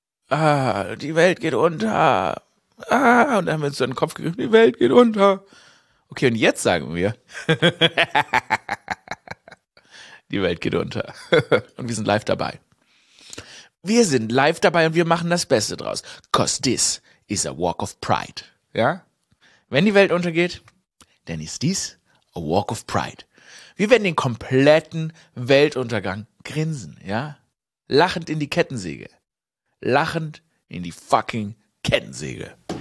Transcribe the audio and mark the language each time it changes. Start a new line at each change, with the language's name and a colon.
German: Die Welt geht unter. Und dann haben wir uns so in den Kopf gegriffen, die Welt geht unter. Okay, und jetzt sagen wir, die Welt geht unter. Und wir sind live dabei. Wir sind live dabei und wir machen das Beste draus.
English: 'Cause this is a walk of pride.
German: Ja? Wenn die Welt untergeht, denn ist dies
English: a walk of pride.
German: Wir werden den kompletten Weltuntergang grinsen, ja? Lachend in die Kettensäge. Lachend in die fucking Kettensäge.